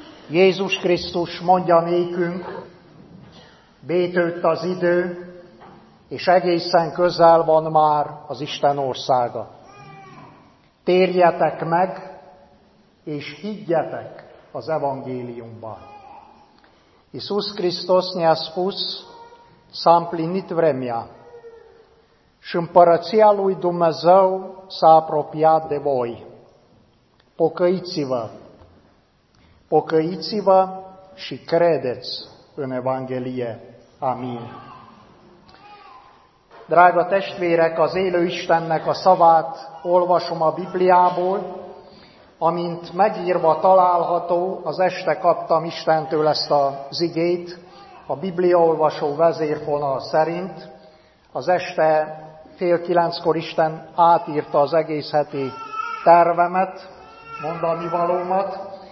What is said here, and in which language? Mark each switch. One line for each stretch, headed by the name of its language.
Hungarian: Jézus Krisztus mondja nékünk, bétőtt az idő, és egészen közel van már az Isten országa. Térjetek meg, és higgyetek az evangéliumban. Jézus Krisztus nyaszpusz, szampli nitvremja.
Romanian: Și împărăția lui Dumnezeu s-a apropiat de voi. Pocăiți-vă! Pocăiți-vă și credeți în Evanghelie. Amin.
Hungarian: Drága testvérek, az élő Istennek a szavát olvasom a Bibliából, amint megírva található, az este kaptam Istentől ezt az igét, a Bibliaolvasó vezérfonal szerint, az este 8:30-kor Isten átírta az egész heti tervemet, mondani valómat.